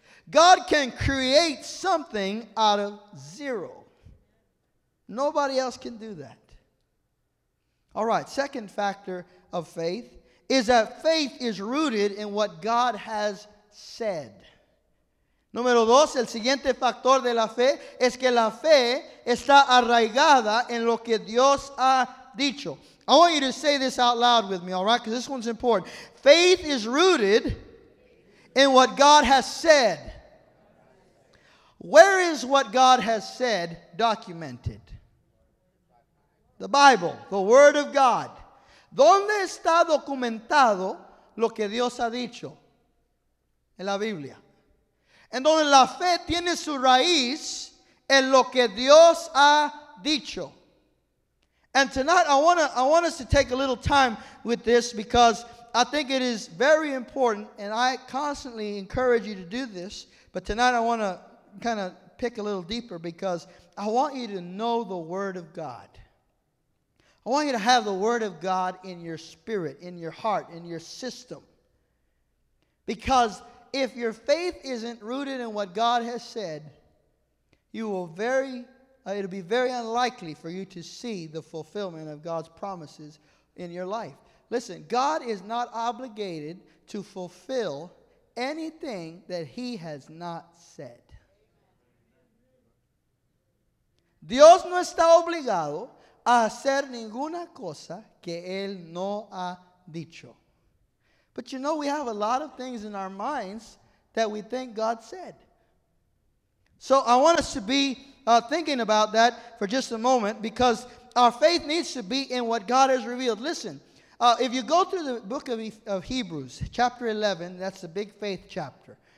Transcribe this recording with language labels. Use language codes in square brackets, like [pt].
[en] God can create something out of zero. Nobody else can do that. All right, second factor of faith is that faith is rooted in what God has said. [es] Número dos, el siguiente factor de la fe es que la fe está arraigada en lo que Dios ha dicho. [en] I want you to say this out loud with me, all right, because this one's important. Faith is rooted in what God has said. Where is what God has said documented? The Bible, the Word of God. [es] ¿Dónde está documentado lo que Dios ha dicho? En la Biblia. En donde la fe tiene su raíz en lo que Dios ha dicho. [en] And tonight I want us to take a little time with this because I think it is very important, and I constantly encourage you to do this, but tonight I want to kind of pick a little deeper because I want you to know the Word of God. I want you to have the Word of God in your spirit, in your heart, in your system. Because if your faith isn't rooted in what God has said, it'll be very unlikely for you to see the fulfillment of God's promises in your life. Listen, God is not obligated to fulfill anything that He has not said. [es] Dios no está obligado a hacer ninguna cosa que Él no ha dicho. [en] But you know, we have a lot of things in our minds that we think God said. So I want us to be thinking about that for just a moment, because our faith needs to be in what God has revealed. Listen, if you go through the book of Hebrews, chapter 11, that's the big faith chapter.